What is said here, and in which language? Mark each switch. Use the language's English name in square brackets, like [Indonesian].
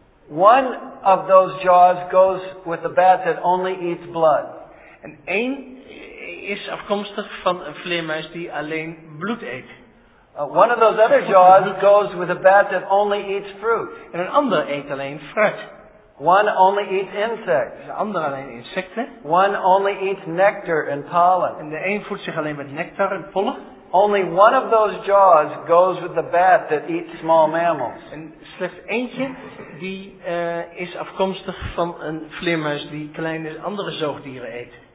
[English] One of those jaws goes with a bat that only eats blood. [Dutch] En één is afkomstig van een vleermuis die alleen bloed eet. [English] One of those other jaws goes with a bat that only eats fruit. [Dutch] En een ander eet alleen fruit. [English] One only eats insects. [Dutch] De ander alleen insecten. [English] One only eats nectar and pollen. [Dutch] En de een voedt zich alleen met nectar en pollen. [English] Only one of those jaws goes with the bat that eats small mammals. [Dutch] En slechts eentje die is afkomstig van een vleermuis die kleine andere zoogdieren eet.